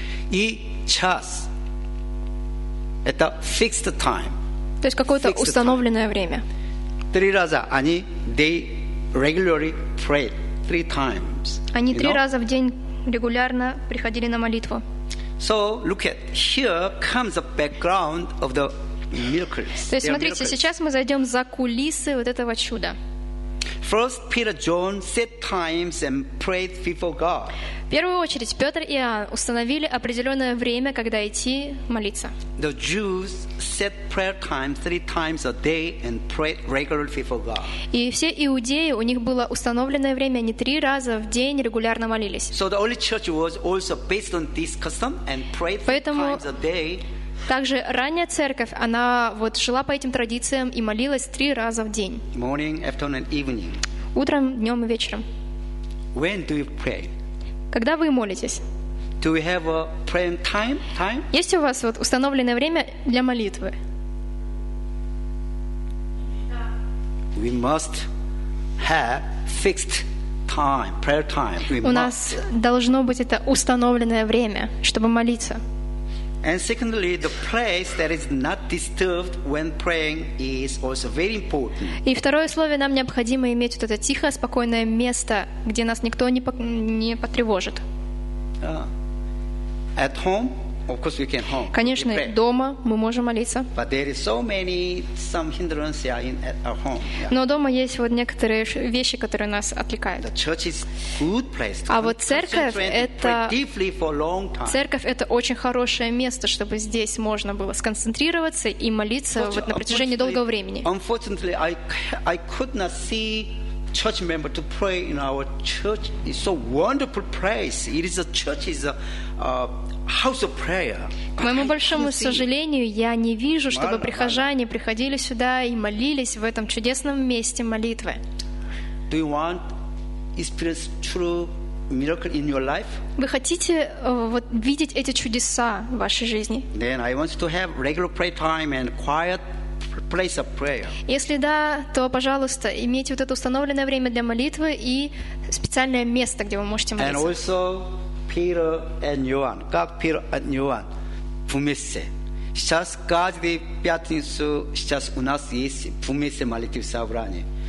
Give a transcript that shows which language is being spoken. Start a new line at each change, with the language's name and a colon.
Russian: И час, это
English: fixed time.
Russian: То есть какое-то fixed установленное time. Время. Три раза они,
English: they regularly prayed, three times.
Russian: Они три раза в день регулярно приходили на молитву.
English: So, look at, here comes the background of the miracles.
Russian: То есть смотрите, miracles. Сейчас мы зайдем за кулисы вот этого чуда.
English: First Peter, John set times and prayed before God.
Russian: В первую очередь Петр и Иоанн установили определенное время, когда идти молиться.
English: The Jews set prayer times three times a day and prayed regularly before God.
Russian: И все иудеи, у них было установленное время, они три раза в день регулярно молились.
English: So the early church was also based on this custom and prayed three times a day.
Russian: Также ранняя церковь, она вот жила по этим традициям и молилась три раза в день.
English: Morning, afternoon, evening.
Russian: Утром, днем и вечером.
English: When do you pray?
Russian: Когда вы молитесь?
English: Do we have a praying time?
Russian: Есть у вас вот установленное время для молитвы?
English: We must have fixed time, prayer time. We must.
Russian: У нас должно быть это установленное время, чтобы молиться.
English: And secondly, the place that is not disturbed when praying is also very important.
Russian: И второе условие, нам необходимо иметь вот это тихое, спокойное место, где нас никто не потревожит.
English: At home, of course, we can home.
Russian: Конечно, дома мы можем молиться.
English: But there is so many some hindrances at home. Yeah.
Russian: Но дома есть вот некоторые вещи, которые нас отвлекают.
English: The church is good place.
Russian: А вот церковь это
English: deeply for long time.
Russian: Церковь это очень хорошее место, чтобы здесь можно было сконцентрироваться и молиться вот на протяжении долгого времени.
English: Unfortunately, I could not see. Church member to pray in our church is so wonderful place. It is a church is a house of prayer.
Russian: К моему большому сожалению, я не вижу, чтобы прихожане приходили сюда и молились в этом чудесном месте молитвы.
English: Do you want experience true miracle in your life?
Russian: Вы хотите вот видеть эти чудеса в вашей жизни?
English: Then I want to have regular prayer time and quiet. Place of prayer.
Russian: Если да, то, пожалуйста, имейте вот это установленное время для молитвы и специальное место, где вы можете молиться.
English: And also Peter and Johann. Как Peter and Johann вместе.
Russian: Сейчас каждую пятницу сейчас у нас есть вместе молитвы собрание.